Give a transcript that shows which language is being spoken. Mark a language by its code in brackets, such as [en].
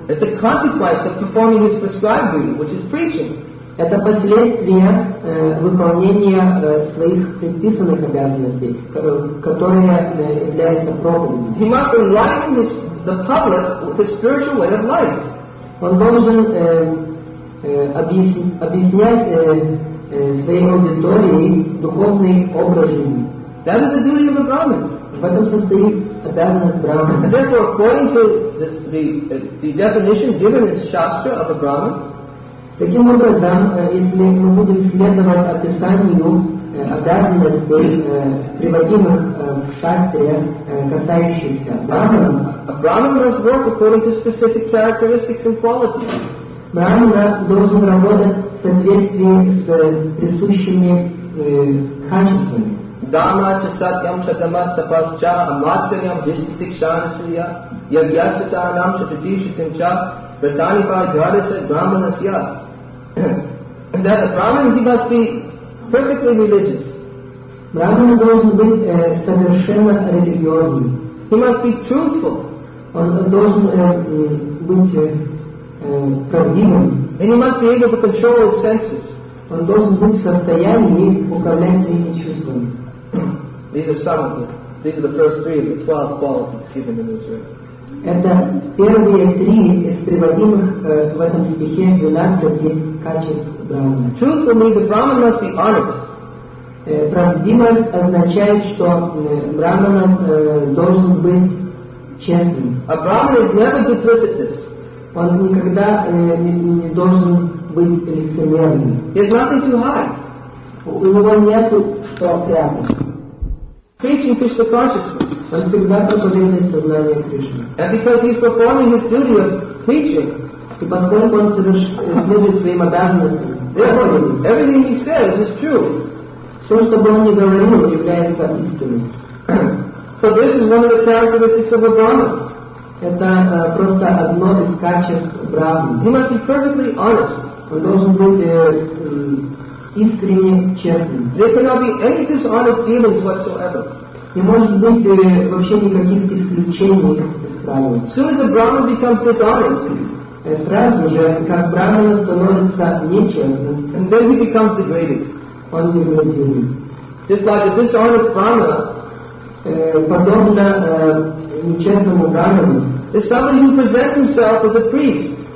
[en] It's a consequence of performing his prescribed duty, which is preaching. [ru] Это последствия выполнения своих предписанных обязанностей, которые являются проповедью. [en] He must enlighten the public with the spiritual way of life. [ru] Он должен объяснять своей аудитории духовный образ жизни. [en] That is the duty of a brahmin. [ru] В этом состоит обязанность брахмана. [en] Therefore, according to this, the definition given in Shastra of a brahman, [ru] таким образом, если мы будем следовать описанию обязанностей, приводимых в шастре, касающихся брахмана, [en] a brahman must work according to specific characteristics and qualities. [ru] Брахмана должен работать в соответствии с присущими качествами. [sa] Dhamma cha satyam cha tamas tapas cha amatsaryam vishtitikshanasriya yagyasita anam cha tatishitim cha vratanipa jhadasa brahmanasya. [en] That a brahman, he must be perfectly religious. [ru] Brahmana должен быть совершенно религиозным. [en] He must be truthful. [ru] Он должен быть правдивым. [en] And he must be able to control his senses. [ru] Он должен быть в состоянии управлять своими чувствами. [en] These are some of them. These are the first three of the 12 qualities given in this verse. [ru] Это первые три из приводимых в этом стихе 12 качеств брахмана. [en] Truthful means a brahman must be honest. [ru] Правдивость означает, что брахмана должен быть честным. [en] A brahman is never duplicitous. [ru] Он никогда не должен быть лицемерным. [en] There's nothing too high. [ru] У него нету что прятать. [en] Preaching Krishna consciousness. [ru] Он всегда проповедует сознание Кришны. [en] And because he's performing his duty of preaching, [ru] и поскольку он следует своим обязанностям, [en] everything he says is true. [ru] Все, что бы он ни говорил, является истиной. [en] So this is one of the characteristics of a brahman. [ru] Это просто одно из качеств брахмана. [en] He must be perfectly honest. [ru] Он должен быть искренне честным. [en] There cannot be any dishonest dealings whatsoever. [ru] Не может быть вообще никаких исключений из правил. [en] As soon as the brahman becomes dishonest, [ru] сразу же, как брахмана становится нечестным, [en] and then he becomes degraded. [ru] Он деградирует. [en] Just like a dishonest brahmana, [ru] подобно нечестному брахману, [en] is someone who presents himself as a priest.